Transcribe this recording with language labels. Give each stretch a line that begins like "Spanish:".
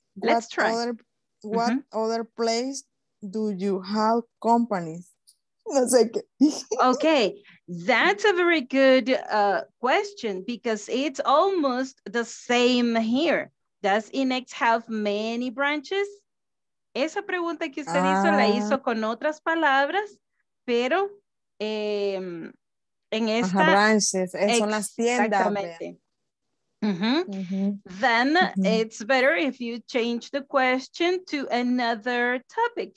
English: let's try. What other place do you have companies?
Spanish: No sé qué.
English: Okay, that's a very good question because it's almost the same here. Does INEX have many branches?
Spanish: Esa pregunta que usted hizo la hizo con otras palabras, pero en esta... Ajá, branches, son las tiendas. Exactamente.
English: Then it's better if you change the question to another topic.